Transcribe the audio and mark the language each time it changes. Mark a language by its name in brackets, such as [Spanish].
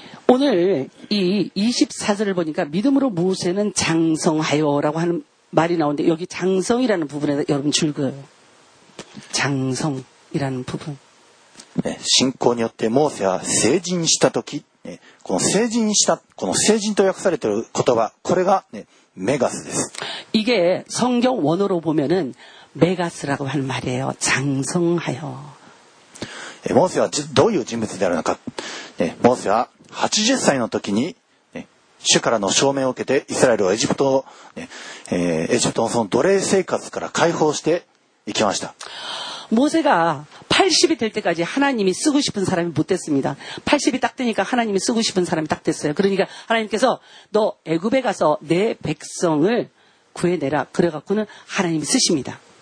[Korean] 오늘이24절을보니까믿음으로모세는장성하여라고하는말이나오는데여기장성이라는부분에서여러분즐거워요장성이라는부분 [Japanese] 네신고によってモーセは成人した時、ね、この成人したこの成人と訳されている言葉これが、ね、メガスです [Korean] 이게성경원어로보면은메가스라고하는말이에요장성하여 [Japanese] モーセはどういう人物であるのか、ね、モーセは80歳の時に、ね、主からの召命を受けてイスラエルはエジプト、ね、エジプトのその奴隷生活から解放していきました。 [Korean] 모세가80이될때까지하나님이쓰고싶은사람이못됐습니다80이딱되니까하나님이쓰고싶은사람이딱됐어요그러니까하나님께서너애굽에가서내백성을구해내라그래갖고는하나님이쓰십니다